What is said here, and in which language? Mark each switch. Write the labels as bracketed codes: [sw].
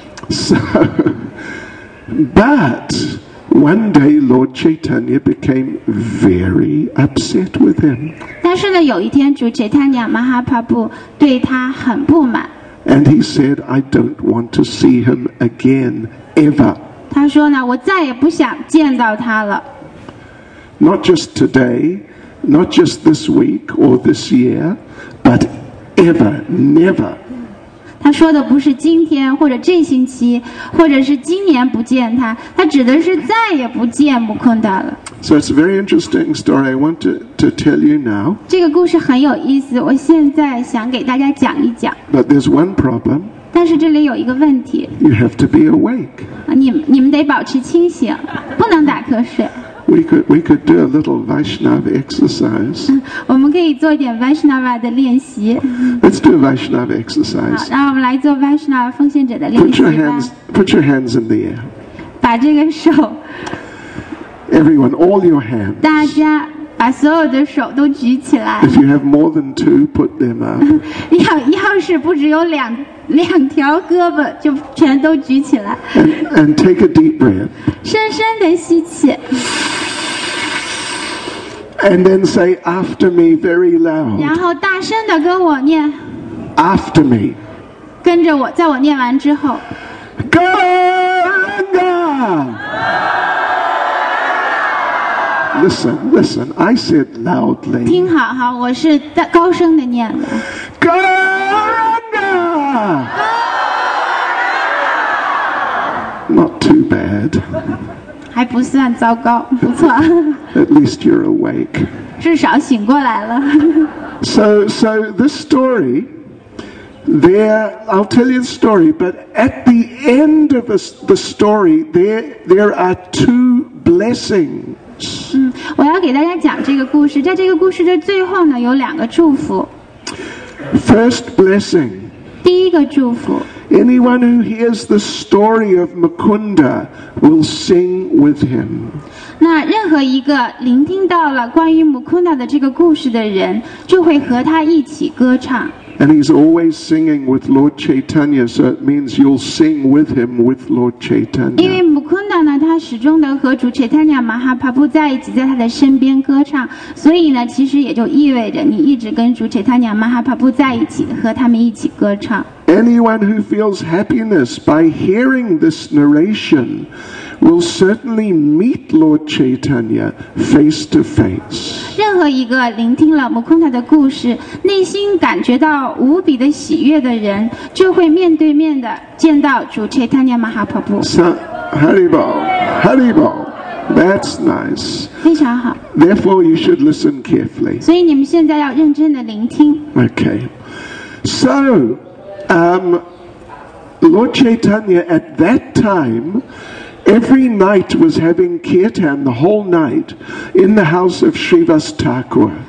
[en] So, but one day Lord Chaitanya became very upset with him. [zh] 但是呢，有一天主 Chaitanya Mahaprabhu 对他很不满。 [en] And he said, "I don't want to see him again, ever." [zh] 他说呢，我再也不想见到他了。 [en] Not just today, not just this week or this year, but ever, never. [zh] 他说的不是今天或者这星期，或者是今年不见他，他指的是再也不见穆昆达了。 [en] So it's a very interesting story. I want to tell you now. [zh] 这个故事很有意思，我现在想给大家讲一讲。 [en] But there's one problem. [zh] 但是这里有一个问题。 [en] You have to be awake. [zh] 你们得保持清醒，不能打瞌睡。 [en] We could do a little Vaishnava exercise. [zh] 我们可以做一点 Vaishnava 的练习。 [en] Let's do a Vaishnava exercise. [zh] 好，让我们来做 Vaishnava 奉献者的练习吧。 [en] Put your hands in the air. [zh] 把这个手。 [en] Everyone, all your hands. [zh] 大家把所有的手都举起来。 [en] If you have more than two, put them up. [zh] 要是不只有两条胳膊，就全都举起来。 [en] And take a deep breath. [zh] 深深的吸气。 [en] And then say after me very loud. [zh] 然后大声的跟我念。 [en] After me. [zh] 跟着我，在我念完之后。 [en] Ganga. Listen. I said loudly. [zh] 听好哈，我是高声的念的。 [en] Ganga. Not too bad. [zh] 还不算糟糕，不错。 [en] At least you're awake. [zh] 至少醒过来了。 [en] So this story. There, I'll tell you the story. But at the end of the story, there are two blessings. [zh] 我要给大家讲这个故事，在这个故事的最后呢，有两个祝福。 [en] First blessing. [zh] 第一个祝福。 [en] Anyone who hears the story of Mukunda will sing with him. [zh] 那任何一个聆听到了关于 Mukunda 的这个故事的人，就会和他一起歌唱。 [en] And he's always singing with Lord Chaitanya, so it means you'll sing with him with Lord Chaitanya. [zh] 因为 Mukunda 呢，他始终的和主 Chaitanya Mahaprabhu 在一起，在他的身边歌唱，所以呢，其实也就意味着你一直跟主 Chaitanya Mahaprabhu 在一起，和他们一起歌唱。 [en] Anyone who feels happiness by hearing this narration will certainly meet Lord Chaitanya face to face. [zh] 任何一个聆听了 Mukunda 的故事，内心感觉到无比的喜悦的人，就会面对面的见到主 Chaitanya Mahaprabhu. [en] Haribol, that's nice. [zh] 非常好。 [en] Therefore, you should listen carefully. [zh] 所以你们现在要认真的聆听。 [en] Okay, so. Lord Chaitanya at that time, every night was having kirtan the whole night in the house of Srivas Thakur.